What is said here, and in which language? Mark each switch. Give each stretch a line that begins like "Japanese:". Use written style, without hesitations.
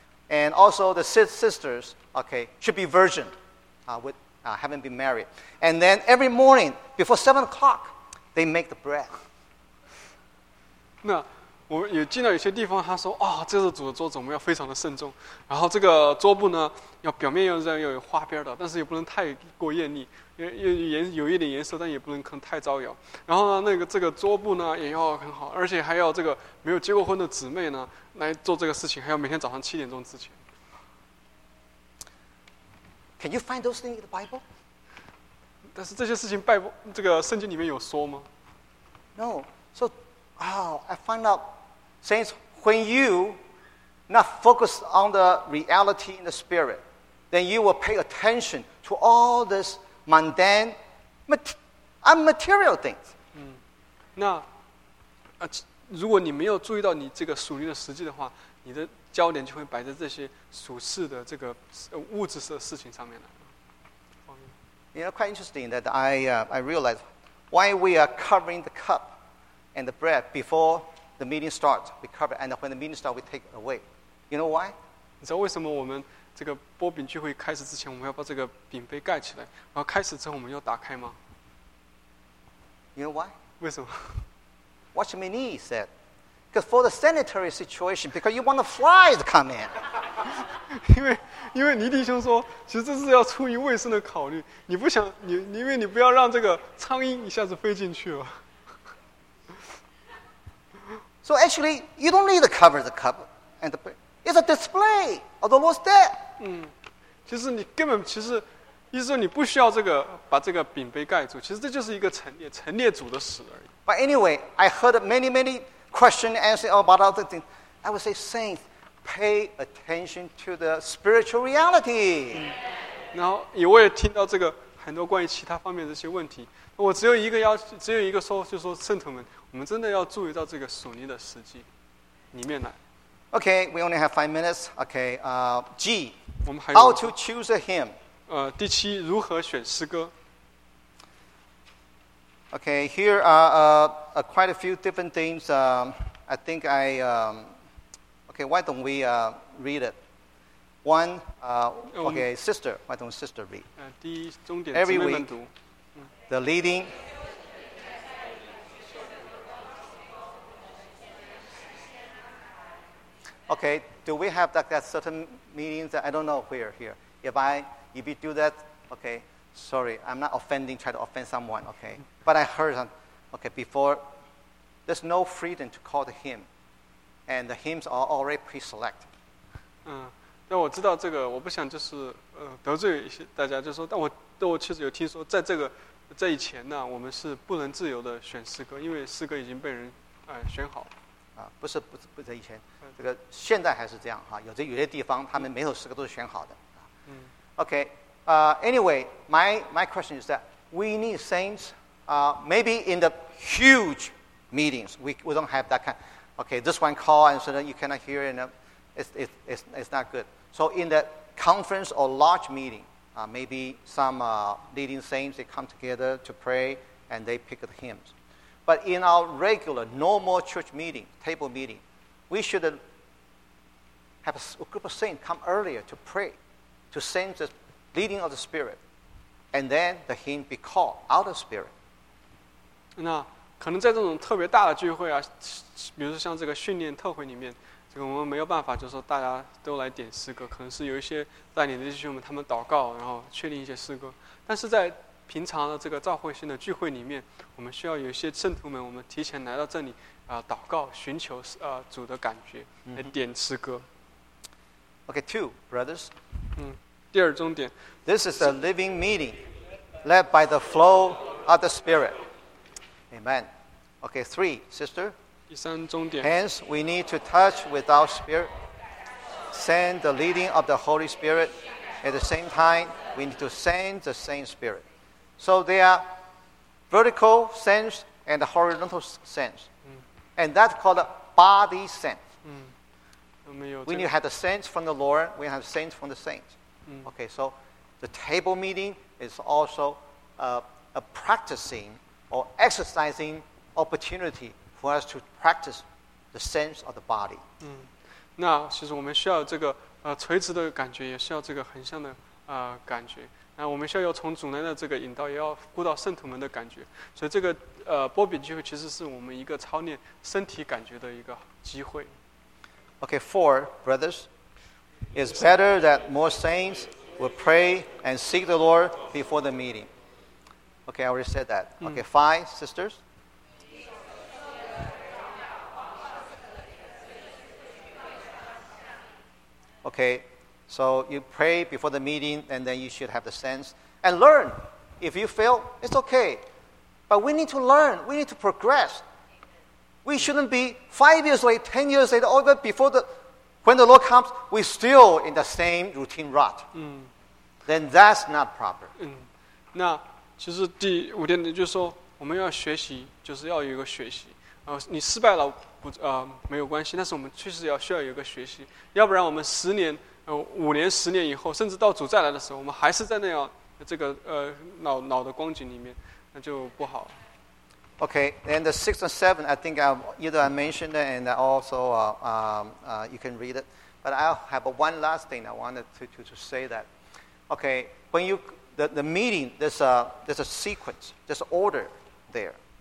English: And also the sisters, okay, should be virgin, haven't been married. And then every morning, before 7 o'clock, they make the bread.
Chinese: 那我也见到有些地方，他说：“哦，这次主的桌子我们要非常的慎重，然后这个桌布呢，要表面要这样有花边的，但是也不能太过艳丽，有一点颜色，但也不能可能太招摇。然后呢，那个这个桌布呢也要很好，而且还要这个没有结过婚的姊妹呢来做这个事情，还要每天早上七点钟之前。”
English: Can you find those things in the Bible?
Chinese: 但是这些事情拜这个圣经里面有说吗
English: ？No. So, I find out. Saints, when you not focus on the reality in the spirit, then you will pay attention to all this mundane, unmaterial things.
Chinese: 那如果你没有注意到你这个属灵的实际的话，你的焦点就会摆在这些属世的这个物质的事情上面了。
English: You know, quite interesting that I realize why we are covering the cup and the bread before. The meeting starts, we cover, and when the meeting starts, we take away. You know why?
Chinese: 你知道为什么我们这个擘饼聚会开始之前，我们要把这个饼杯盖起来，然后开始之后我们要打开吗？
English: You know why?
Chinese: 为什么？
English: Watch my knee, he said. Because for the sanitary situation, because you want the flies to come in.
Chinese: 因为尼弟兄说，其实这是要出于卫生的考虑，你不想你因为你不要让这个苍蝇一下子飞进去了。
English: So actually, you don't need to cover the cup and the bread. It's a display of the Lord's death.
Chinese: 其实你根本其实，意思说你不需要这个把这个饼杯盖住。其实这就是一个陈列主的死而已。
English: But anyway, I heard many questions answered about other things. I would say, saints, pay attention to the spiritual reality.
Chinese: 然后也我也听到这个很多关于其他方面的这些问题。我只有一个要只有一个说，就是说圣徒们。我们真的要注意到这个属灵的实际里面来。
English: Okay, we only have 5 minutes. Okay, G.
Chinese: 我们还有
English: How to choose a hymn.
Chinese: 第七，如何选诗歌
English: ？Okay, here are quite a few different things. I think I. Okay, why don't we read it? One. Okay, sister, why don't sister read?
Chinese: 第一终点姊妹们读。
English: The leading. Okay, do we have that certain meetings? I don't know where here. If you do that, okay, sorry, I'm not offending, try to offend someone, okay. But I heard, okay, before, there's no freedom to call the hymn. And the hymns are already pre-selected.
Chinese: 但我知道这个，我不想就是得罪一些大家，就说，但我确实有听说，在这个，在以前呢，我们是不能自由的选诗歌，因为诗歌已经被人选好了。不是以前，这个现在还是这样哈。有些地方他们每首诗歌都是选好的。
English: Anyway, my question is that we need saints. Maybe in the huge meetings we don't have that kind. Okay, this one call and so that you cannot hear and it's not good. So in the conference or large meeting, maybe some leading saints they come together to pray and they pick the hymns. But in our regular, normal church meeting, table meeting, we should have a group of saints come earlier to pray, to sense the leading of the Spirit, and then the hymn be called out of Spirit.
Chinese: 那可能在这种特别大的聚会啊，比如说像这个训练特会里面，这个我们没有办法，就是说大家都来点诗歌，可能是有一些带领的弟兄们他们祷告，然后确定一些诗歌，但是在平常的这个召会性的聚会里面，我们需要有些圣徒们，我们提前来到这里，祷告，寻求主的感觉，来点诗歌。
English: Okay, two brothers.
Chinese: 第二重点。
English: This is a living meeting, led by the flow of the Spirit. Amen. Okay, three sister.
Chinese: 第三重点。
English: Hence, we need to touch with our spirit, send the leading of the Holy Spirit. At the same time, we need to send the same Spirit. So there are vertical sense and horizontal sense. And that's called a body sense. When you have the sense from the Lord, we have sense from the saints. Okay, so the table meeting is also a practicing or exercising opportunity for us to practice the sense of the body.
Chinese: 那其实我们需要这个垂直的感觉，也是要这个横向的感觉。那我们需要从主内的这个引导，也要顾到圣徒们的感觉。所以这个波比聚会其实是我们一个操练身体感觉的一个机会。
English: Okay, four brothers, it's better that more saints will pray and seek the Lord before the meeting. Okay, I already said that. Okay, five sisters. Okay, so you pray before the meeting and then you should have the sense and learn. If you fail, it's okay. But we need to learn. We need to progress. We shouldn't be 5 years late, 10 years late, or even before when the Lord comes, we're still in the same routine rut. Then that's not proper.
Chinese: 那其实第五点就是说我们要学习就是要有一个学习。你失败了没有关系，但是我们确实要需要有一个学习，要不然我们5年10年以后，甚至到主再来的时候，我们还是在那样这个老的光景里面，那就不好。
English: Okay, and the 6 and 7, I think I mentioned it, and also you can read it. But I have one last thing I wanted to say that. Okay, when you the meeting, there's a sequence, there's an order there.